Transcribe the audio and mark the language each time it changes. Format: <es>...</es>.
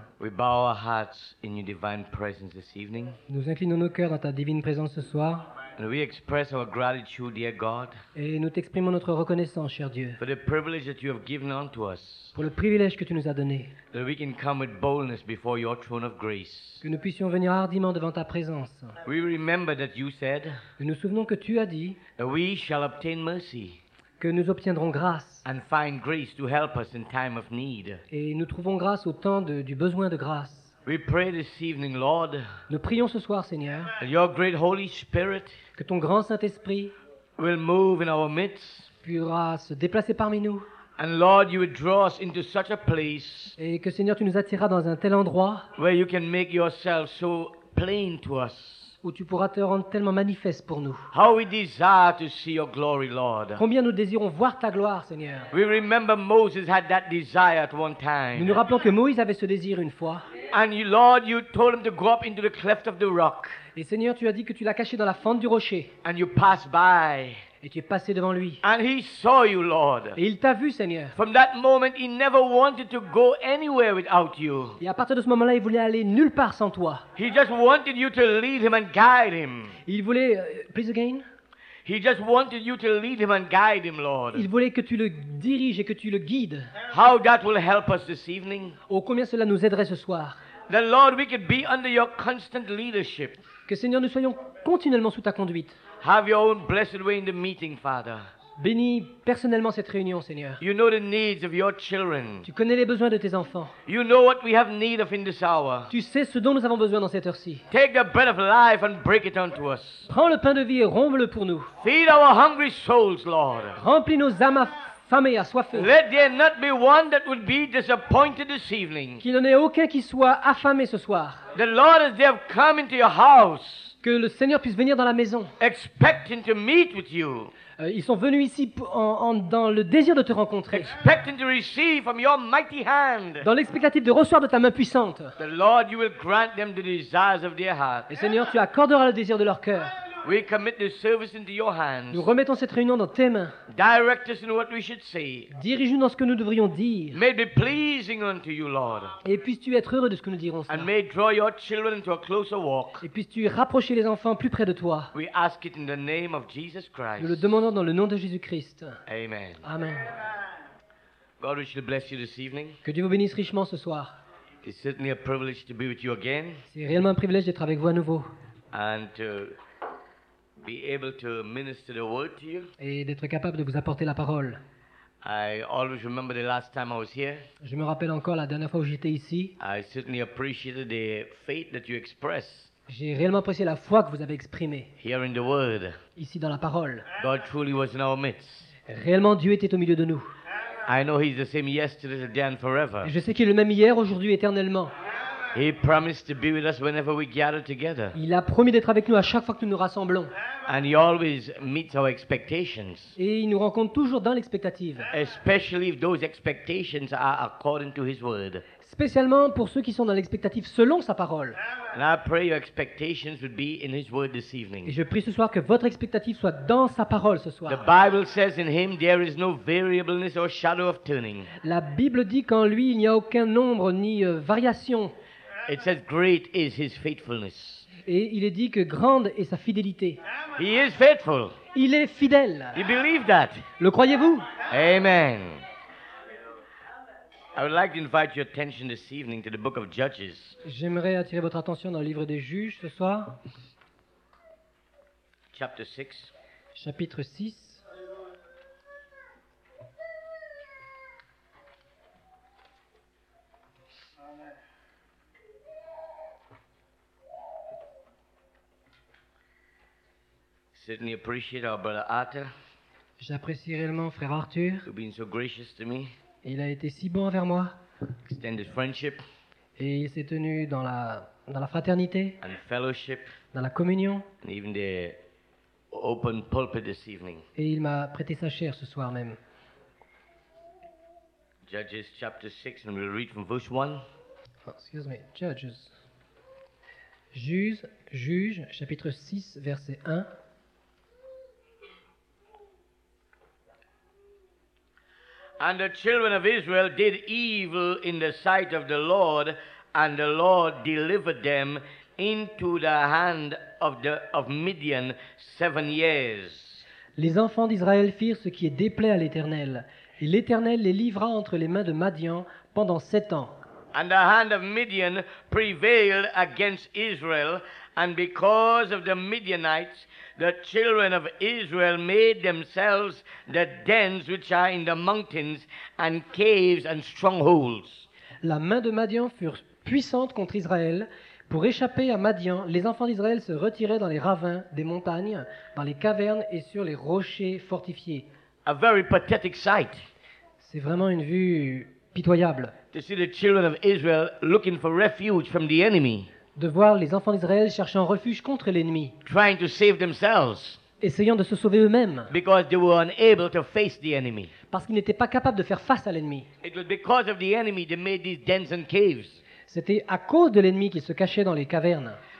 <en>we bow our hearts in your divine presence this evening.</en> <fr>Nous inclinons nos cœurs dans ta divine présence ce soir.</fr> <en>And we express our gratitude, dear God,</en> <fr>et nous t'exprimons notre reconnaissance, cher Dieu,</fr> <en>for the privilege that you have given unto us,</en> <fr>pour le privilège que tu nous as donné,</fr> <en>that we can come with boldness before your throne of grace,</en> <fr>que nous puissions venir hardiment devant ta présence.</fr> <en>We remember that you said,</en> <fr>nous nous souvenons que tu as dit,</fr> <en>that we shall obtain mercy,</en> <fr>que nous obtiendrons grâce,</fr> <en>and find grace to help us in time of need,</en> <fr>et nous trouvons grâce au temps du besoin de grâce.</fr> <en>We pray this evening, Lord.</en> <fr>Nous prions ce soir, Seigneur.</fr> <en>Your great Holy Spirit,</en> <fr>que ton grand Saint-Esprit,</fr> <en>will move in our midst,</en> <fr>pourra se déplacer parmi nous.</fr> <en>And Lord, you would draw us into such a place,</en> <fr>et que Seigneur, tu nous attireras dans un tel endroit,</fr> <en>where you can make yourself so plain to us,</en> <fr>où tu pourras te rendre tellement manifeste pour nous.</fr> <en>How we desire to see your glory, Lord.</en> <fr>Combien nous désirons voir ta gloire, Seigneur.</fr> <en>We remember Moses had that desire at one time.</en> <fr>Nous nous rappelons que Moïse avait ce désir une fois.</fr> <en>And you, Lord, you told him to go up into the cleft of the rock.</en> <fr>Et Seigneur, tu as dit que tu l'as caché dans la fente du rocher.</fr> <en>And you passed by.</en> <fr>Et tu es passé devant lui.</fr> <en>And he saw you, Lord.</en> <fr>Et il t'a vu, Seigneur.</fr> <en>From that moment, he never wanted to go anywhere without you.</en> <fr>Et à partir de ce moment-là, il voulait aller nulle part sans toi.</fr> <en>He just wanted you to lead him and guide him.</en> <fr>Il voulait,</fr> <en>please again. He just wanted you to lead him and guide him, Lord.</en> <fr>Il voulait que tu le diriges et que tu le guides.</fr> <en>How that will help us this evening.</en> <fr>Oh, combien cela nous aiderait ce soir.</fr> <en>That, Lord, we could be under your constant leadership.</en> <fr>Que Seigneur, nous soyons continuellement sous ta conduite.</fr> <en>Have your own blessed way in the meeting, Father.</en> <fr>Bénis personnellement cette réunion, Seigneur.</fr> <en>You know the needs of your children.</en> <fr>Tu connais les besoins de tes enfants.</fr> <en>You know what we have need of in this hour.</en> <fr>Tu sais ce dont nous avons besoin dans cette heure-ci.</fr> <en>Take the bread of life and break it unto us.</en> <fr>Prends le pain de vie et romps-le pour nous.</fr> <en>Feed our hungry souls, Lord.</en> <fr>Remplis nos âmes affamées et assoiffées.</fr> <en>Let there not be one that would be disappointed this evening.</en> <fr>Qu'il n'en ait aucun qui soit affamé ce soir.</fr> <en>The Lord, as they have come into your house,</en> <fr>que le Seigneur puisse venir dans la maison.</fr> <en>Expecting to meet with you.</en> <fr>Ils sont venus ici dans le désir de te rencontrer.</fr> <en>Expecting to receive from your mighty hand.</en> <fr>Dans l'expectative de recevoir de ta main puissante.</fr> <en>The Lord, you will grant them the desires of their heart.</en> <fr>Et Seigneur, tu accorderas le désir de leur cœur.</fr> <en>We commit the service into your hands.</en> <fr>Nous remettons cette réunion dans tes mains.</fr> <en>Direct us in what we should say.</en> <fr>Dirige-nous dans ce que nous devrions dire.</fr> <en>May it be pleasing unto you, Lord.</en> <fr>Et puisses-tu être heureux de ce que nous dirons.</fr> <en>And may draw your children into a closer walk.</en> <fr>Et puisses-tu rapprocher les enfants plus près de toi.</fr> <en>We ask it in the name of Jesus Christ.</en> <fr>Nous le demandons dans le nom de Jésus-Christ.</fr> <en>Amen.</en> <fr>Amen.</fr> <en>God, we shall bless you this evening.</en> <fr>Que Dieu vous bénisse richement ce soir.</fr> <en>It's certainly a privilege to be with you again.</en> <fr>C'est réellement un privilège d'être avec vous à nouveau.</fr> <en>And to be able to minister the word to you.</en> <fr>Et d'être capable de vous apporter la parole.</fr> <en>I always remember the last time I was here.</en> <fr>Je me rappelle encore la dernière fois où j'étais ici.</fr> <en>I certainly appreciated the faith that you express.</en> <fr>J'ai réellement apprécié la foi que vous avez exprimée.</fr> <en>Here in the word.</en> <fr>Ici dans la parole.</fr> <en>God truly was in our midst.</en> <fr>Réellement Dieu était au milieu de nous.</fr> <en>I know he's the same yesterday, today and forever.</en> <fr>Je sais qu'il est le même hier, aujourd'hui, éternellement.</fr> <en>He promised to be with us whenever we gather together.</en> <fr>Il a promis d'être avec nous à chaque fois que nous nous rassemblons.</fr> <en>And he always meets our expectations.</en> <fr>Et il nous rencontre toujours dans l'expectative.</fr> <en>Especially if those expectations are according to his word.</en> <fr>Spécialement pour ceux qui sont dans l'expectative selon sa parole.</fr> <en>And I pray your expectations would be in his word this evening.</en> <fr>Et je prie ce soir que votre expectative soit dans sa parole ce soir.</fr> <en>The Bible says in him there is no variableness or shadow of turning.</en> <fr>La Bible dit qu'en lui il n'y a aucun nombre ni variation.</fr> <en>It says great is his faithfulness.</en> <fr>Et il est dit que grande est sa fidélité.</fr> <en>He is faithful.</en> <fr>Il est fidèle.</fr> <en>You believe that?</en> <fr>Le croyez-vous?</fr> <en>Amen. I would like to invite your attention this evening to the book of Judges.</en> <fr>J'aimerais attirer votre attention dans le livre des Juges ce soir.</fr> <en>Chapter 6.</en> <fr>Chapitre 6.</fr> <en>Certainly appreciate our brother Arthur.</en> <fr>J'apprécie réellement frère Arthur.</fr> <en>He's been so gracious to me.</en> <fr>Il a été si bon envers moi.</fr> <en>Extended friendship.</en> <fr>Et il s'est tenu dans la fraternité.</fr> <en>And fellowship.</en> <fr>Dans la communion.</fr> <en>And even the open pulpit this evening.</en> <fr>Et il m'a prêté sa chaire ce soir même.</fr> <en>Judges chapter 6, and we'll read from verse 1. Oh, excuse me, Judges.</en> <fr>Juges, chapitre 6, verset 1.</fr> <en>And the children of Israel did evil in the sight of the Lord, and the Lord delivered them into the hand of Midian 7 years.</en> <fr>Les enfants d'Israël firent ce qui est déplaît à l'Éternel, et l'Éternel les livra entre les mains de Madian pendant 7 ans.</fr> <en>And the hand of Midian prevailed against Israel, and because of the Midianites, the children of Israel made themselves the dens which are in the mountains and caves and strongholds.</en> <fr>La main de Madian fut puissante contre Israël. Pour échapper à Madian, les enfants d'Israël se retiraient dans les ravins des montagnes, dans les cavernes et sur les rochers fortifiés.</fr> <en>A very pathetic sight.</en> <fr>C'est vraiment une vue pitoyable.</fr> <en>To see the children of Israel looking for refuge from the enemy.</en> <fr>De voir les enfants d'Israël cherchant refuge contre l'ennemi.</fr> <en>Trying to save themselves.</en> <fr>Essayant de se sauver eux-mêmes.</fr> <en>Because they were unable to face the enemy.</en> <fr>Parce qu'ils n'étaient pas capables de faire face à l'ennemi.</fr> <en>It was because of the enemy they made these dens and caves.</en> <fr>C'était à cause de l'ennemi qui se cachait dans les cavernes.</fr>